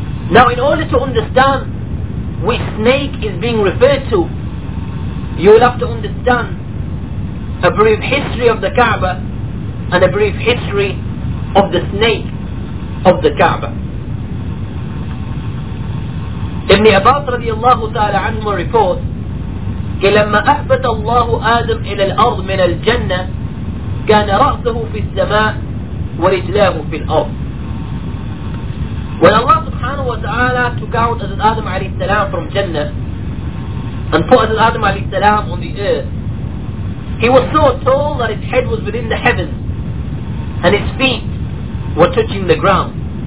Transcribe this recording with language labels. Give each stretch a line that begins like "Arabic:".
English: Now, in order to understand which snake is being referred to, you will have to understand a brief history of the Kaaba and a brief history of the snake of the Kaaba. Ibn Abbas radiallahu ta'ala anhu reports,
Arabic: لما أهبط الله آدم إلى الأرض من الجنة كان رأسه في السماء ورجلاه في الأرض.
English: When Allah subhanahu wa ta'ala took out Hazrat Adam alayhi salam from Jannah and put Hazrat Adam alayhi salam on the earth, he was so tall that his head was within the heavens and his feet were touching the ground.